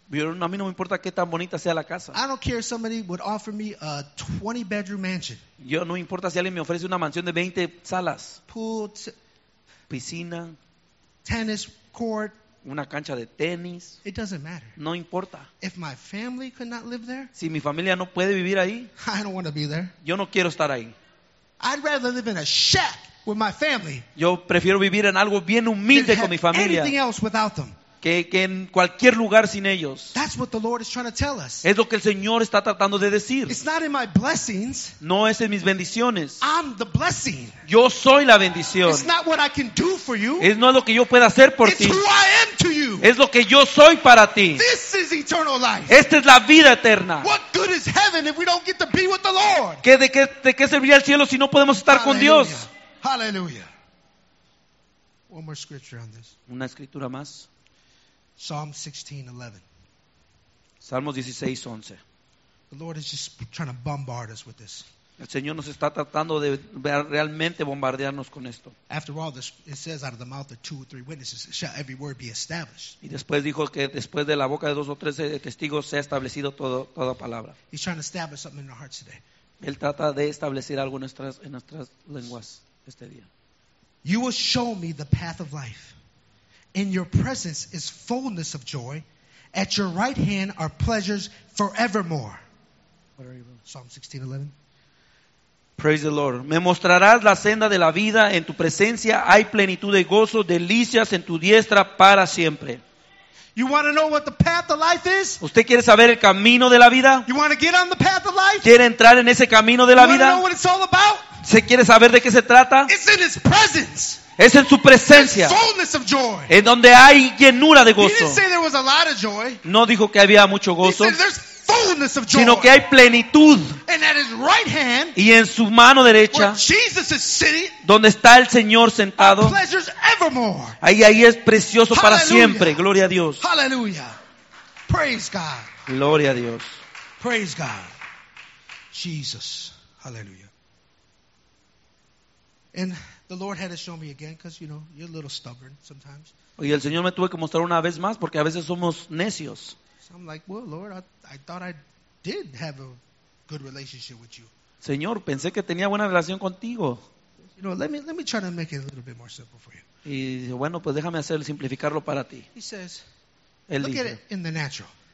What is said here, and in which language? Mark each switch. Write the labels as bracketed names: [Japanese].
[Spanish] A mí no me importa qué tan bonita sea la casa. [English] I don't care if somebody would offer me a 20-bedroom mansion. [Spanish] Yo no me importa si alguien me ofrece una mansión de 20 salas. [English] Pool, [Spanish] piscina, [English] tennis court, [Spanish] una cancha de tenis. [English] It doesn't matter. [Spanish] No importa. [English] If my family could not live there, [Spanish] si mi familia no puede vivir ahí, [English] I don't want to be there. [Spanish] Yo no quiero estar ahí. [English] I'd rather live in a shack. With my family. [Spanish] Yo prefiero vivir en algo bien humilde con mi familia. [English] Anything else without them. [Spanish] que en cualquier lugar sin ellos. [English] That's what the Lord is trying to tell us. [Spanish] Es lo que el Señor está tratando de decir. [English] It's not in my blessings. [Spanish] No es en mis bendiciones. [English] I'm the blessing. [Spanish] Yo soy la bendición. [English] It's not what I can do for you. [Spanish] Es no lo que yo pueda hacer por ti. [English] It's who I am to you. [Spanish] Es lo que yo soy para ti. [English] This is eternal life. [Spanish] Esta es la vida eterna. [English] What good is heaven if we don't get to be with the Lord? [Spanish] ¿Qué de qué serviría el cielo si no podemos estar con Dios? [English] Hallelujah. One more scripture on this. [Spanish] Una escritura más. [English] Psalm 16:11. [Spanish] Salmos 16:11. [English] The Lord is just trying to bombard us with this. [Spanish] El Señor nos está tratando de realmente bombardearnos con esto. [English] After all, it says out of the mouth of two or three witnesses shall every word be established. [Spanish] Y después dijo que después de la boca de dos o tres testigos se ha establecido toda palabra. [English] He's trying to establish something in our hearts today. [Spanish] Él trata de establecer algo en nuestras lenguas este día. [English] You will show me the path of life. In your presence is fullness of joy. At your right hand are pleasures forevermore. What are you doing? Psalm 16:11. Praise the Lord. [Spanish] Me mostrarás la senda de la vida. En tu presencia hay plenitud de gozo, delicias en tu diestra para siempre. [English] You want to know what the path of life is? [Spanish] ¿Usted quiere saber el camino de la vida? [English] You want to get on the path of life? [Spanish] ¿Quiere entrar en ese camino de la vida? [English] You want to know what it's all about? [Spanish] ¿Se quiere saber de qué se trata? [English] It's in his presence. [Spanish] Es en su presencia. [English] There's fullness of joy. [Spanish] En donde hay llenura de gozo. [English] He didn't say there was a lot of joy. [Spanish] No dijo que había mucho gozo. [English] He said there's fullness of joy. [Spanish] Sino que hay plenitud. [English] And at his right hand, [Spanish] y en su mano derecha, [English] where Jesus is sitting, [Spanish] donde está el Señor sentado, [English] are pleasures evermore. [Spanish] Ahí es precioso. Hallelujah. Para siempre. Gloria a Dios. [English] Hallelujah. Praise God. [Spanish] Gloria a Dios. [English] Praise God. Jesus. Hallelujah. And the Lord had to show me again because, you know, you're a little stubborn sometimes. [Spanish] Y el Señor me tuvo que mostrar una vez más porque a veces somos necios. [English] So I'm like, well, Lord, I thought I did have a good relationship with you. [Spanish] Señor, pensé que tenía buena relación contigo. [English] You know, let me try to make it a little bit more simple for you. [Spanish] Y bueno, pues déjame simplificarlo para ti. [English] He says, look at it in the natural.